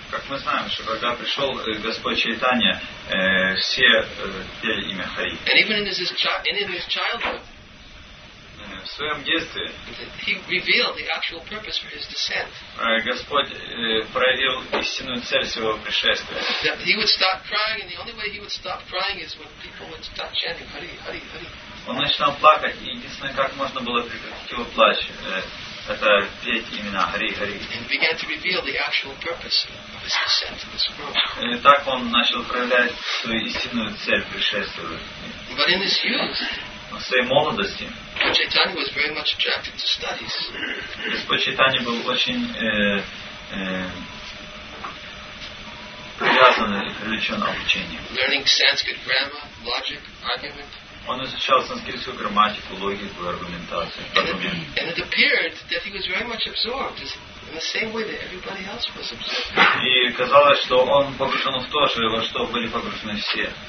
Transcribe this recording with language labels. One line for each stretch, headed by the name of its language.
Russian: Как мы знаем, что когда пришел Господь Чайтанья, все пели имя Хари.
English: And even in his childhood,
Russian: в своем детстве,
English: he revealed the actual purpose for his descent.
Russian: Господь проявил истинную цель своего пришествия.
English: That he would stop crying, and the only way he would stop crying is when people would start chanting Hari, Hari, Hari.
Russian: Он начинал плакать, и единственное, как можно было прекратить его плач, это петь имена Хари, Хари.
English: And began to reveal the actual purpose of his descent to this world.
Russian: И так он начал проявлять свою истинную цель пришествия.
English: But in his youth,
Russian: в своей молодости,
English: Chaitanya was very much attracted to studies.
Russian: Господь Чайтанья был очень привязан и привлечен обучением.
English: Learning Sanskrit grammar, logic, argument.
Russian: Он изучал санскритскую грамматику, логику, аргументацию.
English: And it appeared that he was very much absorbed in the same way that everybody else was absorbed.
Russian: И казалось, что он погружен в то же, во что были погружены все.